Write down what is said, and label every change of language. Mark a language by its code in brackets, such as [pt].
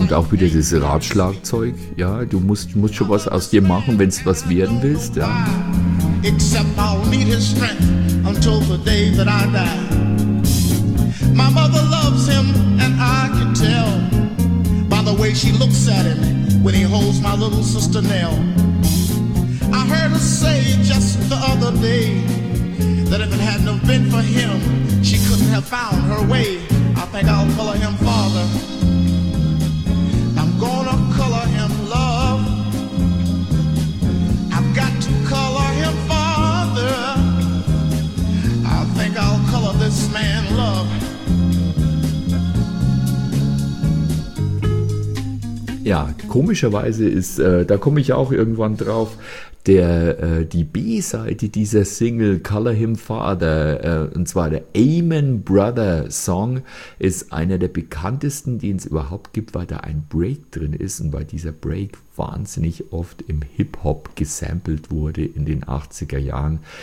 [de] Wieder dieses Ratschlagzeug, ja, du musst schon was aus dir machen, wenn es was werden willst, ja. [en] Except I'll need his strength until the day that I die. My mother loves him and I can tell by the way she looks at him when he holds my little sister Nell. I heard her say just the other day that if it hadn't have been for him, she couldn't have found her way. I think I'll call him father. Gonna color him love. I've got to color him father. I think I'll color this man love. [de] Ja, komischerweise ist, da komme ich auch irgendwann drauf, die B-Seite dieser Single Color Him Father, und zwar der Amen Brother Song, ist einer der bekanntesten, die es überhaupt gibt, weil da ein Break drin ist und weil dieser Break wahnsinnig oft im Hip-Hop gesampelt wurde in den 80er Jahren.